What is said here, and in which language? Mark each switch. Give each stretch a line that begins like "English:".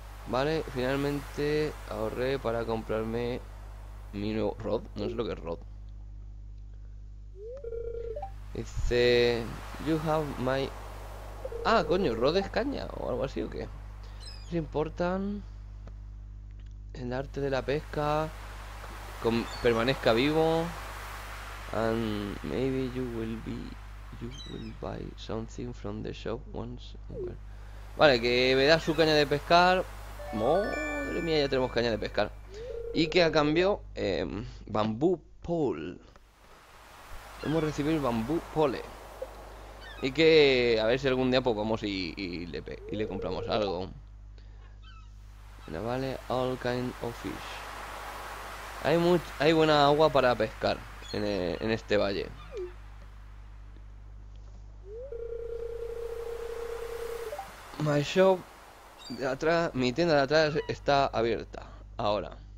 Spanish: Vale, finalmente ahorré para comprarme mi nuevo Rod. No sé lo que es Rod. Dice, you have my... Ah, coño, Rod es caña o algo así, ¿o qué? ¿Se importan el arte de la pesca? Permanezca vivo.
English: And maybe you will buy something from the shop once.
Spanish: Vale, que me da su caña de pescar. Madre mía, ya tenemos caña de pescar. Y que a cambio, bambú pole. Hemos recibido bambú pole. Y que a ver si algún día pues vamos y le compramos algo.
English: Bueno, vale, all kind of fish.
Spanish: Hay buena agua para pescar en este valle. My shop de atrás, mi tienda de atrás está abierta ahora.